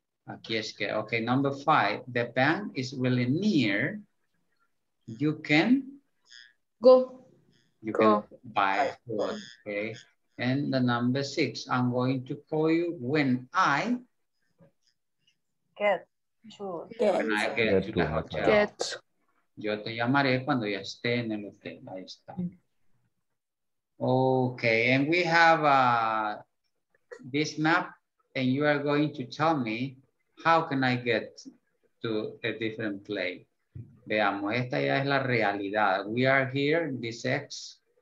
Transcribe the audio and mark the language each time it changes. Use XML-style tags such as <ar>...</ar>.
<en>Okay, number five, the bank is really near. You can go. You go. Can buy food. Okay. And the number six, I'm going to call you when I get to, when I get to the hotel. Get.</en> <es>Yo te llamaré cuando ya esté en el hotel. Ahí está.</es> <en>Okay, and we have this map, and you are going to tell me. How can I get to a different place?</en> <es>Veamos, esta ya es la realidad.</es> <en>We are here, this X.</en>